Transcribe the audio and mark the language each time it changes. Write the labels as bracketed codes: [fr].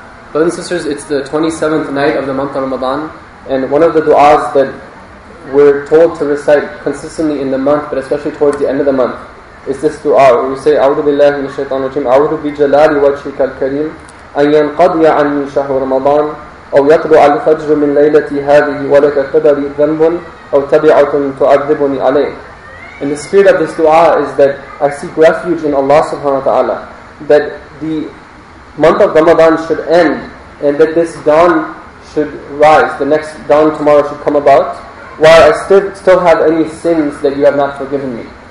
[en] Brothers and sisters, it's the 27th night of the month of Ramadan, and one of the du'as that we're told to recite consistently in the month, but especially towards the end of the month, is this dua. [ar] We say, أعوذ بالله من الشيطان الرجيم أعوذ بجلال وجهك الكريم أن ينقضي عني شهر رمضان أو يطلع الفجر من ليلتي هذه ولك قدري ذنب أو تبعة تعذبني عليه. [en] And the spirit of this dua is that I seek refuge in Allah subhanahu wa ta'ala, that the month of Ramadan should end and that this dawn should rise, the next dawn tomorrow should come about, while I still have any sins that you have not forgiven me.